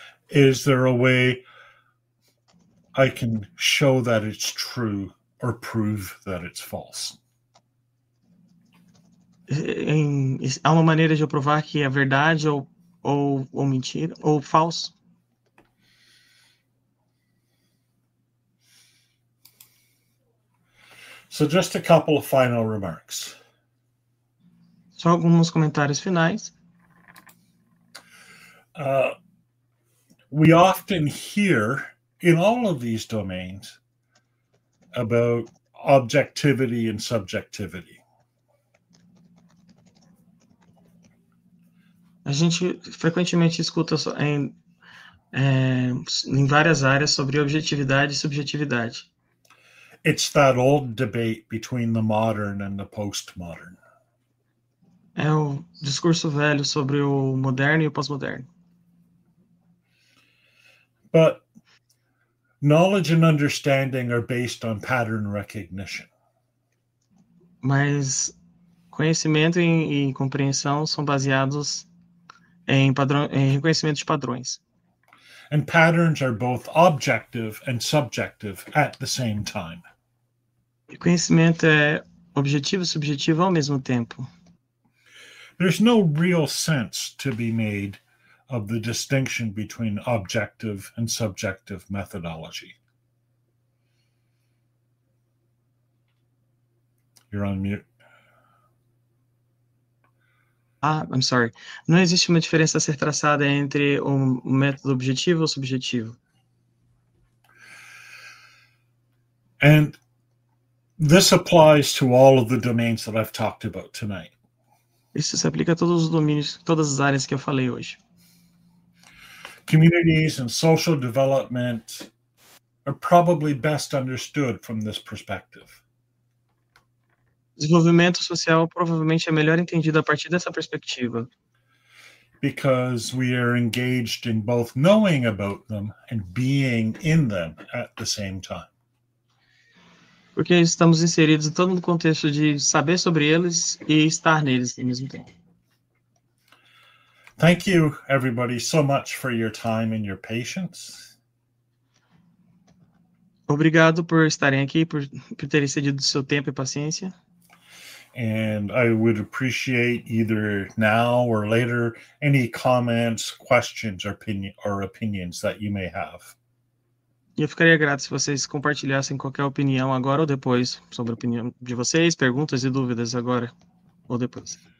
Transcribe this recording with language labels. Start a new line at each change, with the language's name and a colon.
English: Is there a way I can show that it's true or prove that it's false?
Portuguese: Há uma maneira de eu provar que é verdade ou mentira ou falso?
English: So just a couple of final remarks.
Portuguese: Só alguns comentários finais.
English: We often hear in all of these domains about objectivity and subjectivity.
Portuguese: A gente frequentemente escuta em várias áreas sobre objetividade e subjetividade.
English: It's that old debate between the modern and the postmodern.
Portuguese: É o discurso velho sobre o moderno e o pós-moderno.
English: But knowledge and understanding are based on pattern recognition.
Portuguese: Mas conhecimento e compreensão são baseados em padrão, em reconhecimento de padrões.
English: And patterns are both objective and subjective at the same time.
Portuguese: E conhecimento é objetivo e subjetivo ao mesmo tempo.
English: There's no real sense to be made of the distinction between objective and subjective methodology. You're on mute. Ah, I'm sorry.
Portuguese: Não existe uma diferença a ser traçada entre o método objetivo ou subjetivo.
English: And this applies to all of the domains that I've talked about tonight.
Portuguese: Isso se aplica a todos os domínios, todas as áreas que eu falei hoje.
English: Communities and social development are probably best understood from this perspective.
Portuguese: Desenvolvimento social provavelmente é melhor entendido a partir dessa perspectiva.
English: Because we are engaged in both knowing about them and being in them at the same time.
Portuguese: Porque estamos inseridos em todo o contexto de saber sobre eles e estar neles ao mesmo tempo.
English: Thank you, everybody, so much for your time and your patience.
Portuguese: Obrigado por estarem aqui, por terem cedido seu tempo e paciência.
English: And I would appreciate either now or later any comments, questions, or opinions that you may have.
Portuguese: Eu ficaria grato se vocês compartilhassem qualquer opinião agora ou depois sobre a opinião de vocês, perguntas e dúvidas agora ou depois.